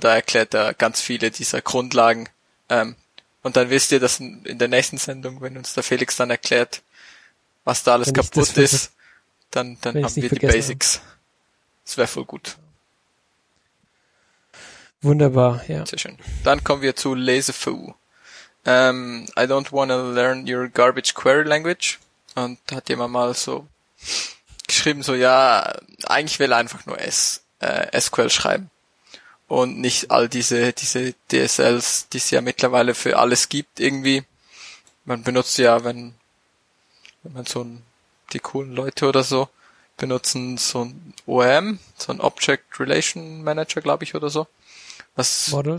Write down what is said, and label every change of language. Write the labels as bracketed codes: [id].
[de] Da erklärt er ganz viele dieser Grundlagen. Und dann wisst ihr, dass in der nächsten Sendung, wenn uns der Felix dann erklärt, was da alles wenn kaputt ist, dann haben wir die Basics. Das wäre voll gut. Wunderbar, ja. Sehr schön. Dann kommen wir zu Lazyfoo. [en] I don't wanna learn your garbage query language. [de] Und da hat jemand mal so geschrieben, so, ja, eigentlich will er einfach nur SQL schreiben. Und nicht all diese DSLs, die es ja mittlerweile für alles gibt, irgendwie. Man benutzt ja, wenn man so ein, die coolen Leute oder so, benutzen so ein OM, so ein Object Relation Manager, glaube ich, oder so. Was Model.